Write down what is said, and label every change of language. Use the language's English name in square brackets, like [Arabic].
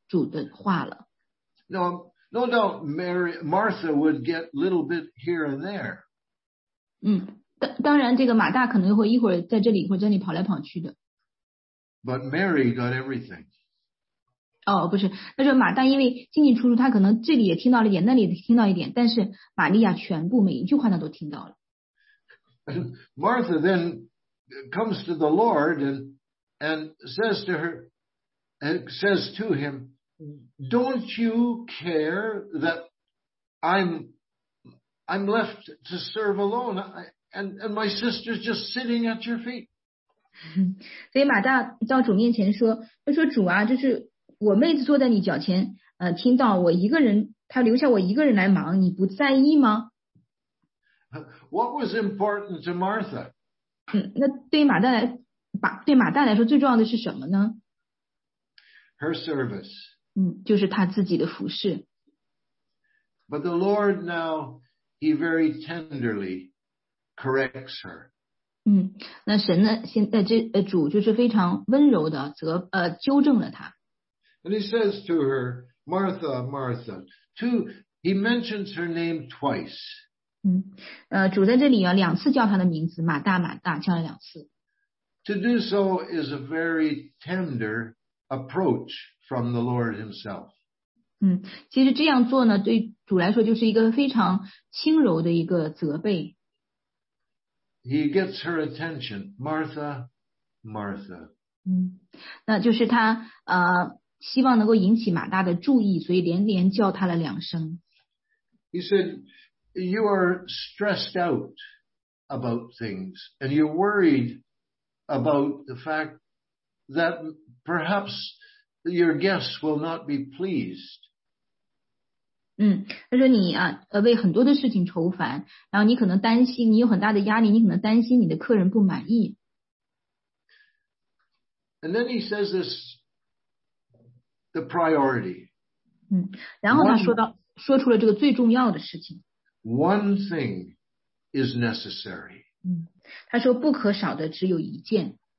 [Chinese] 主的话了。 [English] No doubt Martha would get a little bit here and there. [Chinese] 当然这个马大可能会一会儿在这里或者在那里跑来跑去的。 [English] But Mary got everything. [Chinese] 不是，那就马大因为进进出出，他可能这里也听到了一点，那里也听到一点，但是玛利亚全部每一句话他都听到了。 [English] Martha then comes to the Lord and says to her,And says to him, "Don't you care that I'm left to serve alone, and my sister's just sitting at your feet?" [Chinese] 所以马大到主面前说，他说主啊，就是我妹子坐在你脚前，听到我一个人，他留下我一个人来忙，你不在意吗 [English] ？What was important to Martha? [Chinese] 那对于马大来，对马大来说最重要的是什么呢？ [English] Her service. [Chinese] 就是他自己的服事。 [English] But the Lord now, he very tenderly corrects her. [Chinese] 那神呢，现在主就是非常温柔的纠正了他。 [English] And he says to her, Martha, Martha, he mentions her name twice. [Chinese] 主在这里啊，两次叫他的名字，马大，马大，叫了两次。 [English] To do so is a very tender approach from the Lord himself. [Chinese] 其实这样做呢对主来说就是一个非常轻柔的一个责备。 [English] He gets her attention, Martha, Martha. [Chinese] 那就是他希望能够引起马大的注意所以连连叫他了两声。 [English] He said, you are stressed out about things and you're worried about the fact that perhaps your guests will not be pleased. [Chinese] 他说你啊，为很多的事情愁烦，然后你可能担心，你有很大的压力，你可能担心你的客人不满意。 [English] And then he says this, the priority. [Chinese] 然后他说出了这个最重要的事情。 [English] One thing is necessary. [Chinese] 他说不可少的只有一件。